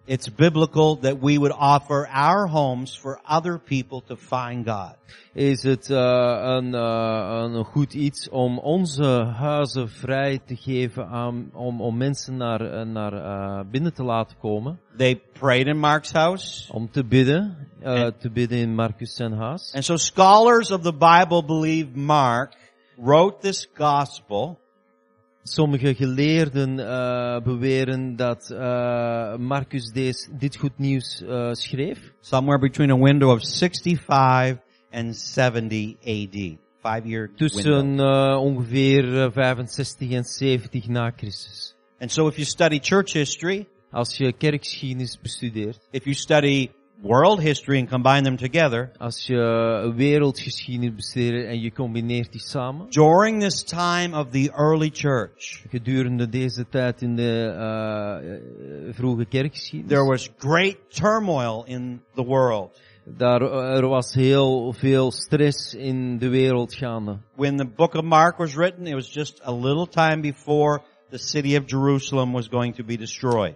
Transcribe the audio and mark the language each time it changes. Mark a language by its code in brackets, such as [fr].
[en] It's biblical that we would offer our homes for other people to find God. [nl] Is het een goed iets om onze huizen vrij te geven aan om mensen naar binnen te laten komen? [en] They prayed in Mark's house. [nl] Om te bidden. Te bidden in Marcus zijn huis. [en] And so scholars of the Bible believe Mark wrote this gospel. [nl] Sommige geleerden beweren dat Marcus dit goed nieuws schreef. [en] Somewhere between a window of 65 and 70 AD. 5-year window. [nl] Tussen ongeveer 65 en 70 na Christus. [en] And so if you study church history. [nl] Als je kerkgeschiedenis bestudeert. [en] If you study world history and combine them together. [nl] Als je wereldgeschiedenis bestudeert en je combineert die samen. [en] During this time of the early church. [nl] Gedurende deze tijd in de vroege kerkgeschiedenis. [en] There was great turmoil in the world. [nl] Er was heel veel stress in de wereld gaande. [en] When the book of Mark was written, it was just a little time before the city of Jerusalem was going to be destroyed.